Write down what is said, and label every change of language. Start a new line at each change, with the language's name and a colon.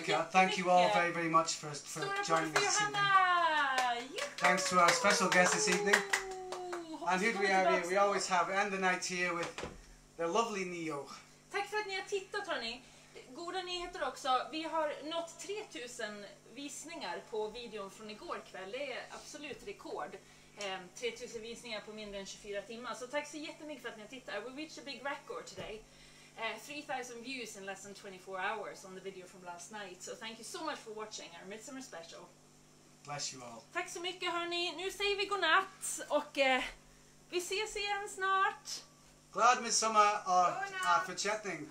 English: Thank you all very, very much for joining us this evening. Thanks to our special guest this evening. And here we are, we always have end the night here with the lovely Neo.
Swedish: Tack för att ni har tittat, hörni. Goda nyheter också. Vi har nått 3000 visningar på videon från igår kväll. Det är absolut rekord. 3000 visningar på mindre än 24 timmar. Så tack så jättemycket för att ni har tittat.
English: We reached a big record today. 3,000 views in less than 24 hours on the video from last night. So thank you so much for watching our Midsummer special. Bless you all.
Swedish: Tack så mycket, hörni. Nu säger vi godnatt och vi ses igen snart. Glad Midsummer och fortsättning.